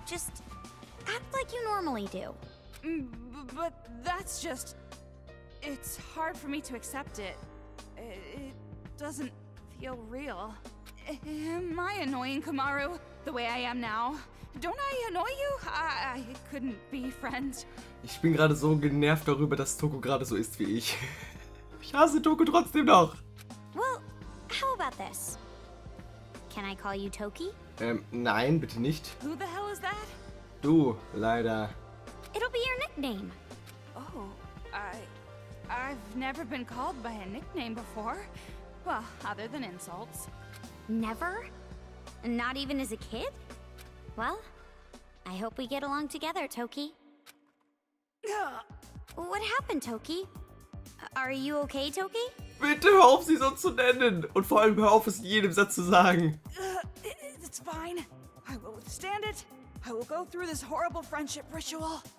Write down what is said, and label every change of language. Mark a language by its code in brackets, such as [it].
[en] Just act like you normally do. But that's just... It's hard for me to accept it. It doesn't feel real. Am I annoying, Kamaru, the way I am now? Don't I annoy you? I couldn't be friends. [de] Ich bin gerade so genervt darüber, dass Toko gerade so ist wie ich. Ich hasse Toko trotzdem noch. [en] Well, how about this? Can I call you Toki? [de] Nein, bitte nicht. [en] Who the hell is that? [de] Du, leider. [en] It'll be your nickname. Oh, I've never been called by a nickname before. Well, other than insults. Never? Not even as a kid? Well, I hope we get along together, Toki. What happened, Toki? Are you okay, Toki? [de] Bitte hör auf, sie so zu nennen. Und vor allem hör auf, es in jedem Satz zu sagen. [en] It's fine. I will withstand it. I will go through this horrible friendship ritual.